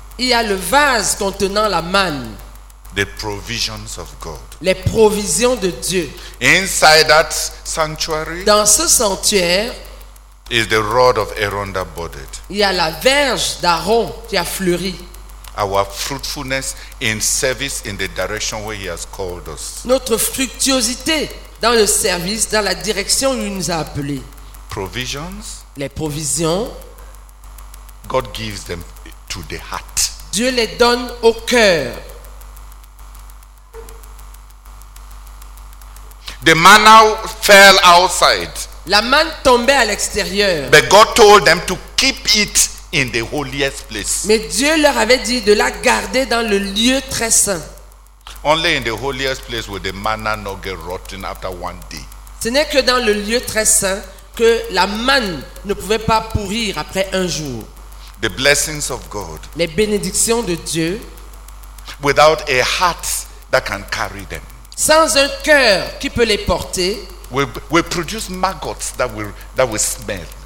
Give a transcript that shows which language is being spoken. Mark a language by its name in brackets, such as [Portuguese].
[French] Il y a le vase contenant la manne. [English] The provisions of God. [French] Les provisions de Dieu. [English] Inside that sanctuary. [French] Dans ce sanctuaire. [English] Is the rod of Aaron that budded. [French] Il y a la verge d'Aaron qui a fleuri. [English] Our fruitfulness in service in the direction where he has called us. [French] Notre fructuosité dans le service, dans la direction où il nous a appelés. [English] Provisions. [French] Les provisions. [English] God gives them to the heart. [French] Dieu les donne au cœur. [English] The manna fell outside. [French] La manne tombait à l'extérieur. [English] But God told them to keep it in the holiest place. [French] Mais Dieu leur avait dit de la garder dans le lieu très saint. [English] Only in the holiest place will the manna not get rotten after one day. [French] Ce n'est que dans le lieu très saint que la manne ne pouvait pas pourrir après un jour. [English] The blessings of God. [French] Les bénédictions de Dieu. [English] Without a heart that can carry them. [French] Sans un cœur qui peut les porter. [English] Will produce maggots that will smell.